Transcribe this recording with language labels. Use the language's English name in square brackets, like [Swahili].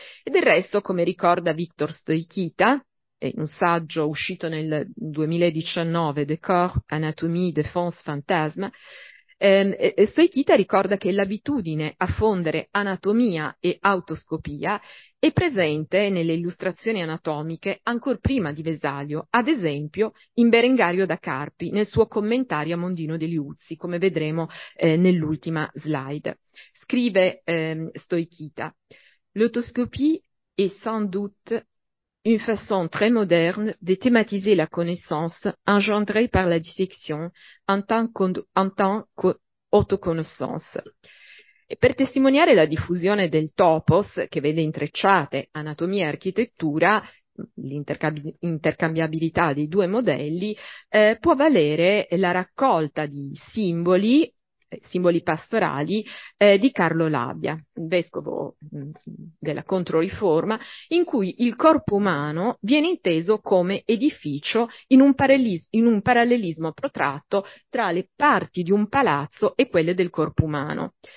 [Italian] E del resto, come ricorda Victor Stoichita, in un saggio uscito nel 2019, De corps, anatomie, défense, fantasma, Stoichita ricorda che l'abitudine a fondere anatomia e autoscopia è presente nelle illustrazioni anatomiche ancor prima di Vesalio, ad esempio in Berengario da Carpi, nel suo commentario a Mondino degli Uzzi, come vedremo nell'ultima slide. Scrive Stoichita, [French] l'autoscopie est sans doute une façon très moderne de thématiser la connaissance engendrée par la dissection en tant qu'autoconnaissance. [Italian] E per testimoniare la diffusione del topos, che vede intrecciate anatomia e architettura, l'intercambiabilità dei due modelli, può valere la raccolta di simboli pastorali di Carlo Labbia, vescovo della Controriforma, in cui il corpo umano viene inteso come edificio in un parallelismo protratto tra le parti di un palazzo e quelle del corpo umano.